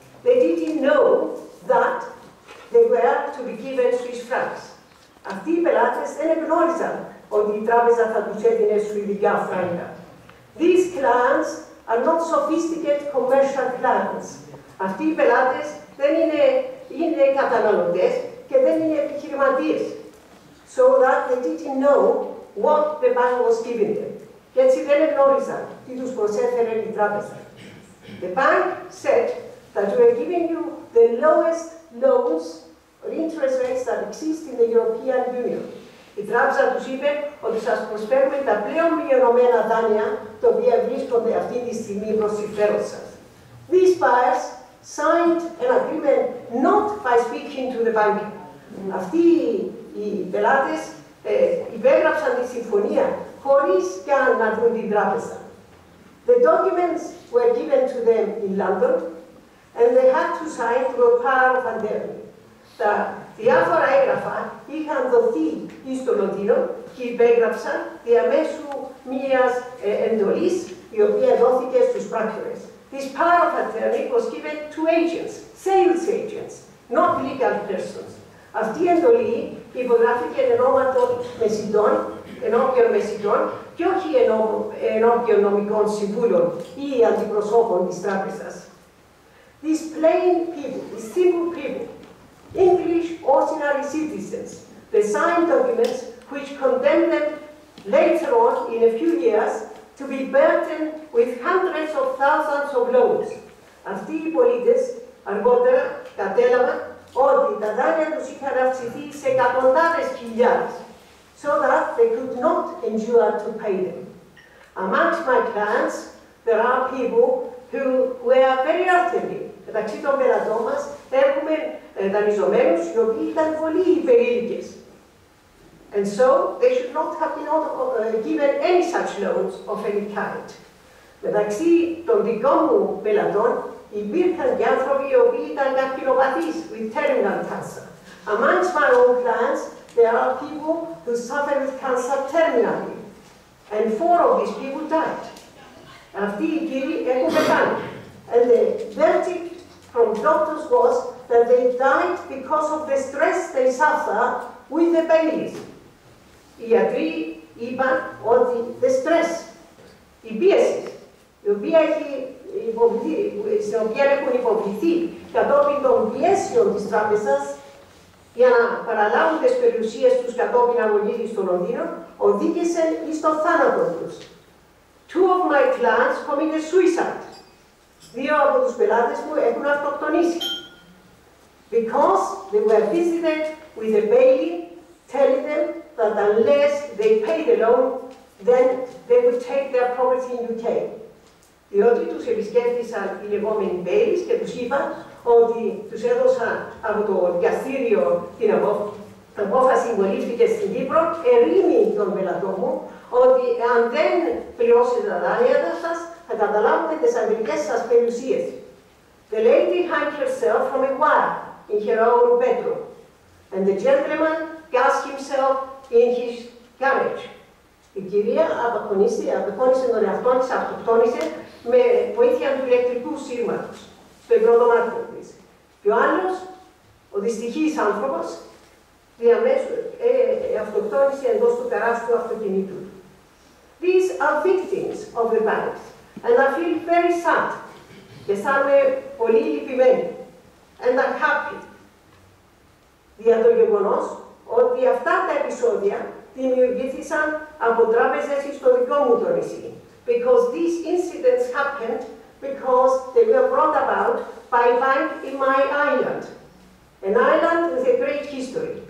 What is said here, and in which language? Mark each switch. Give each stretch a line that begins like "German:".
English: They didn't know that they were to be given Swiss francs.
Greek: Αυτοί οι πελάτες δεν γνώριζαν ότι η τράπεζα θα τους έδινε σουηδικά φράγκα.
English: These clans are not sophisticated commercial clans.
Greek: Αυτοί οι πελάτες δεν είναι καταναλωτές και δεν είναι επιχειρηματίες.
English: So that they didn't know what the bank was giving them.
Greek: Και έτσι δεν γνώριζαν τι τους προσέφερε η τράπεζα.
English: The bank said that we are giving you the lowest loans or interest rates that exist in the European Union.
Greek: Η τράπεζα τους είπε ότι σας προσφέρουμε τα πλέον μειωμένα δάνεια τα οποία βρίσκονται αυτή τη στιγμή προς συμφέρον σας.
English: These buyers signed an agreement not by speaking to the bank.
Greek: Αυτοί οι πελάτες υπέγραψαν τη συμφωνία χωρίς καν να δουν την τράπεζα.
English: The documents were given to them in London and they had to sign to a power of attorney.
Greek: Τα διάφορα έγγραφα είχαν δοθεί στο Λονδίνο και υπέγραψαν διαμέσου μιας εντολής η οποία δόθηκε στους πράκτορες.
English: This power of attorney was given to agents, sales agents, not legal persons.
Greek: Αυτή η εντολή υπογράφηκε ενώματων μεσητών, ενώπιων μεσητών και όχι ενώπιων νομικών συμβούλων ή αντιπροσώπων της τράπεζας.
English: These plain people, these simple people, English ordinary citizens, they signed documents which condemned them later on, in a few years, to be burdened with hundreds of thousands of loans.
Greek: Αυτοί οι πολίτες αργότερα κατέλαβαν ότι τα δάνεια τους είχαν αυξηθεί σε εκατοντάδες χιλιάδες,
English: so that they could not endure to pay them. Amongst my clients, there are people who were very elderly. Μεταξύ των πελατών μας έχουμε δανειζομένους οι οποίοι ήταν πολύ υπερήλικες. And so they should not have been given any such loans of any kind.
Greek: Μεταξύ των δικών μου πελατών υπήρχαν και άνθρωποι οι οποίοι ήταν καρκινοπαθείς
English: with terminal cancer. Amongst my own clients, there are people who suffered with cancer terminally. And four of these people died.
Greek: Αυτοί οι κύριοι έχουν πεθάνει.
English: And the verdict from doctors was that they died because of the stress they suffer with the bailies.
Greek: Οι ιατροί είπαν ότι the stress, η πίεση, η οποία έχει στην οποία έχουν υποβληθεί κατόπιν των πιέσεων της τράπεζας για να παραλάβουν τις περιουσίες τους κατόπιν αγωγής στο Λονδίνο, οδήγησε εις το θάνατο τους.
English: Two of my clients committed suicide.
Greek: Δύο από τους πελάτες μου έχουν αυτοκτονήσει.
English: Because they were visited with a bailey telling them that unless they pay the loan, then they would take their property in UK.
Greek: Διότι τους επισκέφτησαν οι λεγόμενοι bailies και τους είπαν ότι τους έδωσαν από το δικαστήριο την απόφαση που λήφθηκε στην Κύπρο, ερήμη τον πελατό μου, ότι αν δεν πληρώσετε τα δάνεια σας, θα καταλάβετε τις αμερικές σας περιουσίες.
English: The lady hung herself from a wire in her own bedroom, and the gentleman gassed himself in his garage.
Greek: Η κυρία αποκτόνησε τον εαυτό της, αυτοκτόνησε με βοήθεια του ηλεκτρικού σύρματος στο υπροδομάτιο της. Και ο άλλος, ο δυστυχής άνθρωπος, διαμέσου αυτοκτόνησε εντός του τεράστιου αυτοκινήτου.
English: These are victims of the banks, and I feel very sad.
Greek: Και αισθάνομαι πολύ λυπημένη.
English: And I'm happy.
Greek: Δια το γεγονός ότι αυτά τα επεισόδια δημιουργήθησαν από τράπεζες στο δικό μου το νησί.
English: Because these incidents happened because they were brought about by a bank in my island. An island with a great history.